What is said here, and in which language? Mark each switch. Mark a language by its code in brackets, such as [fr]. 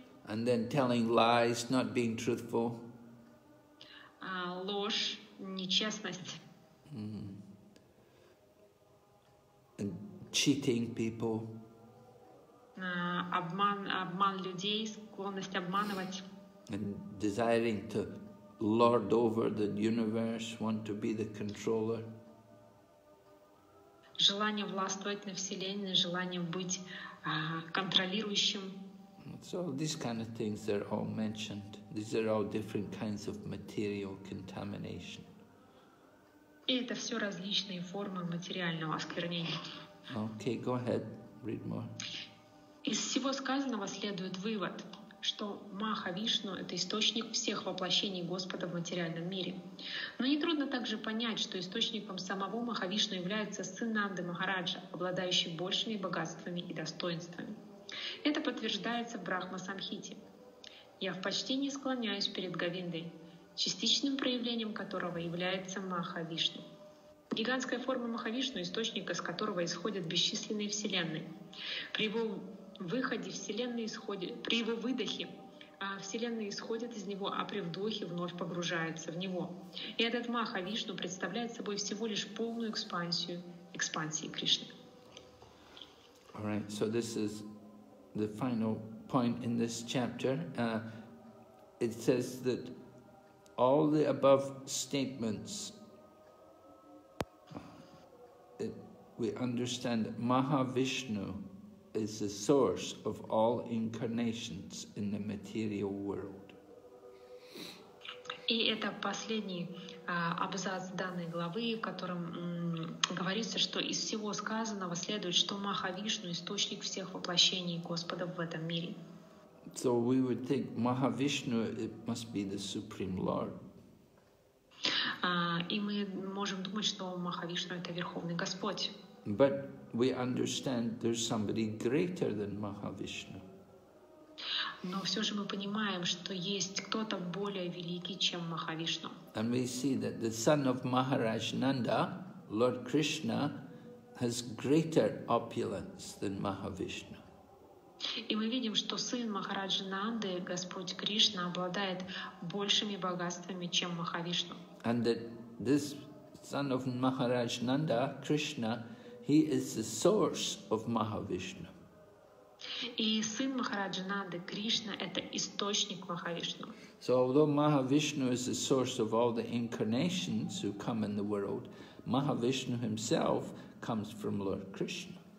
[en] and then telling lies, not being truthful. [ru] Ложь, нечестность. [en] And cheating people. [ru] Обман людей, склонность обманывать. [en] And desiring to lord over the universe, want to be the controller. [ru] Желание властвовать на вселенной, желание быть контролирующим. [en] So these kind of things are all mentioned. These are all different kinds of material contamination. [ru] И это все различные формы материального осквернения. [en] Okay, go ahead, read more. [ru] Из всего сказанного следует вывод, что Маха-Вишну — это источник всех воплощений Господа в материальном мире. Но нетрудно также понять, что источником самого Маха-Вишну является сын Нанды Махараджа, обладающий большими богатствами и достоинствами. Это подтверждается в Брахма-самхите. Я в почтении склоняюсь перед Говиндой, частичным проявлением которого является Маха-Вишну. Гигантская форма Маха-Вишну — источник, из которого исходят бесчисленные вселенные. При его выходе вселенные исходят, при его выдохе вселенные исходят из него, а при вдохе вновь погружаются в него. И этот Маха-Вишну представляет собой всего лишь полную экспансию экспансии Кришны. [en] All right, so this is the final point in this chapter. It says that all the above statements, that we understand that Mahavishnu is the source of all incarnations in the material world. [ru] И это последний абзац данной главы, в котором говорится, что из всего сказанного следует, что Маха-Вишну — источник всех воплощений Господа в этом мире. [en] So we would think Mahavishnu, it must be the Supreme Lord. [ru] И мы можем думать, что Маха-Вишну — это Верховный Господь. [en] But we understand there's somebody greater than Mahavishnu. [ru] Но все же мы понимаем, что есть кто-то более великий, чем Махавишну. [en] And we see that the son of Maharaj Nanda, Lord Krishna, has greater opulence than Mahavishnu. [ru] И мы видим, что сын Махараджа Нанды, Господь Кришна, обладает большими богатствами, чем Махавишну. [en] And that this son of Maharaj Nanda, Krishna, he is the source of Mahavishnu. [ru] И сын Махараджа Нанды, Кришна, это источник Махавишну. [en] So although Mahavishnu is the source of all the incarnations who come in the world, Mahavishnu himself comes from Lord Krishna.